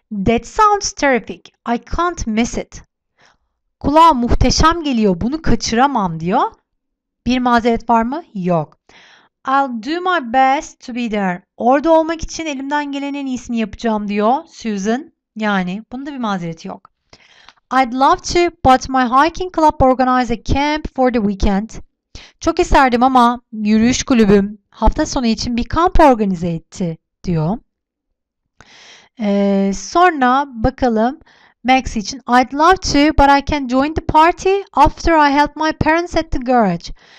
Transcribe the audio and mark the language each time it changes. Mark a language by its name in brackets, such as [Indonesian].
[English] That sounds terrific. I can't miss it. [Turkish] Kulağa muhteşem geliyor. Bunu kaçıramam diyor. Bir mazeret var mı? Yok. [English] I'll do my best to be there. [Turkish] Orada olmak için elimden gelen en iyisini yapacağım diyor Susan. Yani bunda bir mazereti yok. [English] I'd love to, but my hiking club organize a camp for the weekend. [Turkish] Çok isterdim ama yürüyüş kulübüm hafta sonu için bir kamp organize etti diyor. Sonra bakalım Max için [English] I'd love to, but I can join the party after I help my parents at the garage.